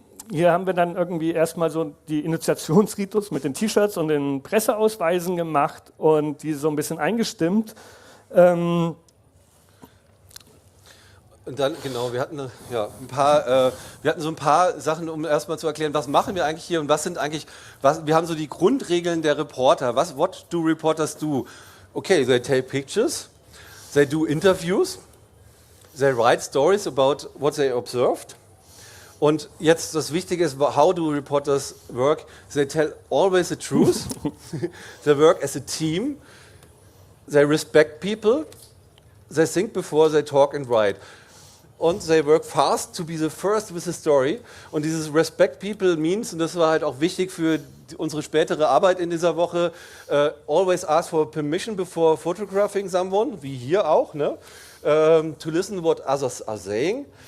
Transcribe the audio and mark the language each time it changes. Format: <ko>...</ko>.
<de>hier haben wir dann irgendwie erstmal so die Initiationsritus mit den T-Shirts und den Presseausweisen gemacht und die so ein bisschen eingestimmt. Und dann, genau, wir hatten, ja, ein paar, wir hatten so ein paar Sachen, um erstmal zu erklären, was machen wir eigentlich hier und was sind eigentlich, was, wir haben so die Grundregeln der Reporter.</de> <en>Was, what do reporters do? Okay, they take pictures, they do interviews, they write stories about what they observed.</en> <de>Und jetzt das Wichtige ist,</de> <en>how do reporters work? They tell always the truth. They work as a team. They respect people. They think before they talk and write. Und they work fast to be the first with the story.</en> <de>Und dieses</de> <en>respect people means,</en> <de>und das war halt auch wichtig für unsere spätere Arbeit in dieser Woche,</de> <en>always ask for permission before photographing someone,</en> <de>wie hier auch, ne?</de> <en>To listen what others are saying.</en>